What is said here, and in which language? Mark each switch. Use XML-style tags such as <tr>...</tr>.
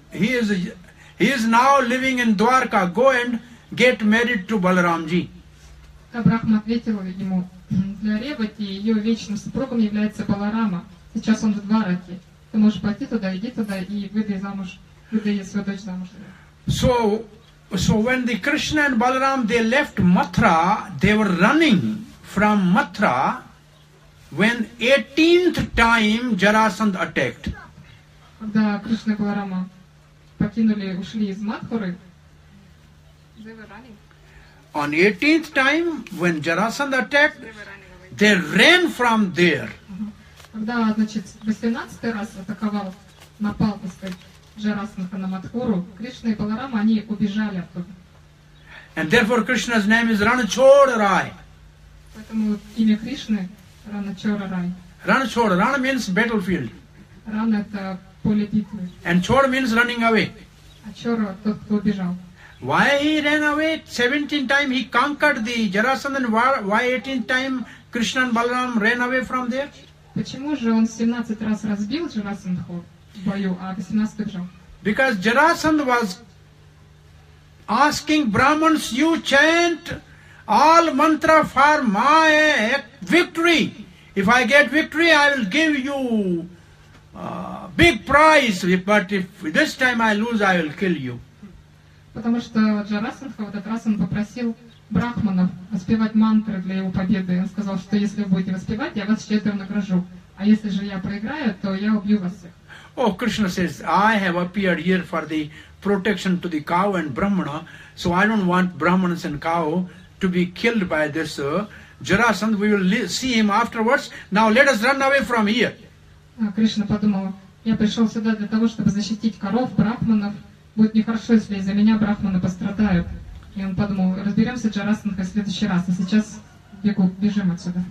<en>He is now living in Dwarka. Go and get married to Balaramji.</en> <ru>Брахма ответил ему, для Ревати ее вечным супругом является Баларама. Сейчас он в Двараке. Ты можешь пойти туда, иди туда и выдай свою дочь замуж.</ru> <en>So when the Krishna and Balaram, they left Mathura, they were running from Mathura when 18th time Jarasandh attacked.</en> <ru>Когда Кришна и Баларама покинули, ушли из Матхуры,</ru> <en>they were running. On 18th time, when Jarasandh attacked, they ran from there.</en> <ru>Когда, значит, 18-й раз атаковал, напал, так сказать, Джарасандха на Матхуру, Кришна и Баларама, они убежали оттуда.</ru> <en>And therefore Krishna's name is Ranachora Rai.</en> <ru>Поэтому имя Кришны Ranachora Rai.</ru> <en>Ranachora, Rana means battlefield.</en> <ru>Rana — это поле битвы.</ru> <en>And Chora means running away.</en> <ru>А Чора — тот, кто убежал.</ru> <en>Why he ran away? 17 times he conquered the Jarasandha, and why 18 times Krishna and Balaram ran away from there?</en> <ru>Почему же он 17 раз разбил Джарасандху в бою, а 18 убежал?</ru> <en>Because Jarasandha was asking Brahmins, you chant all mantra for my victory. If I get victory, I will give you big prize. But if this time I lose, I will kill you.</en> <ru>Потому что Джарасандха, в этот раз он попросил брахманов воспевать мантры для его победы. Он сказал, что если вы будете воспевать, я вас щедро награжу. А если же я проиграю, то я убью вас всех.</ru> <en>О, Кришна says, I have appeared here for the protection to the cow and brahmana, so I don't want brahmanas and cow to be killed by this Jarasandha. We will see him afterwards. Now let us run away from here.</en> <ru>Кришна подумал, я пришел сюда для того, чтобы защитить коров, брахманов. Будет нехорошо, если из-за меня брахманы пострадают. И он подумал, разберемся с Джарасандхой в следующий раз, а сейчас бежим отсюда.</ru>